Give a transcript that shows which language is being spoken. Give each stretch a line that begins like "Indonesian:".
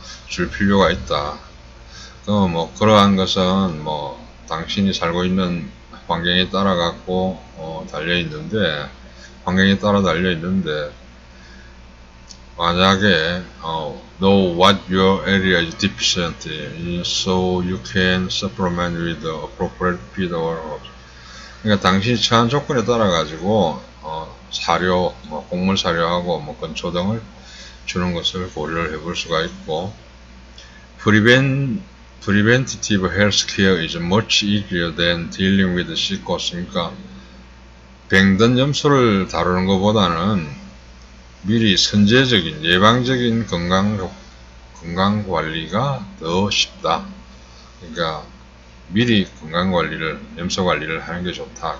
Korean: 줄 필요가 있다. 그럼 뭐 그러한 것은 뭐 당신이 살고 있는 환경에 따라 갖고 달려 있는데, 환경에 따라 달려 있는데, 만약에
English: know what your area is deficient in, so you can supplement with appropriate feed or.
Korean: 그러니까 당신이 처한 조건에 따라 가지고 사료, 뭐 곡물 사료하고 뭐 건초 등을 주는 것을 고려를 해볼 수가 있고,
English: Preventative healthcare is much easier than dealing with sickness.
Korean: 그러니까 병든 염소를 다루는 것보다는 미리 선제적인 예방적인 건강 관리가 더 쉽다. 그러니까 미리 건강 관리를 염소 관리를 하는 게 좋다.